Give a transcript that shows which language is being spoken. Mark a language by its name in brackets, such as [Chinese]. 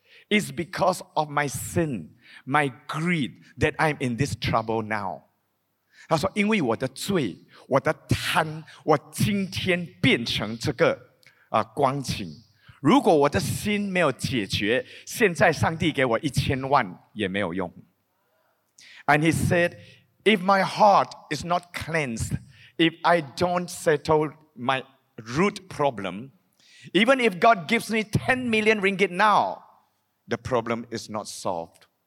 [English] It's because of my sin, my greed, that I'm in this trouble now. [Chinese] 他说，因为我的罪，我的贪，我今天变成这个光景。如果我的心没有解决,现在上帝给我1000万也没有用。 [English] And he said, if my heart is not cleansed, if I don't settle my root problem, even if God gives me 10 million ringgit now, the problem is not solved.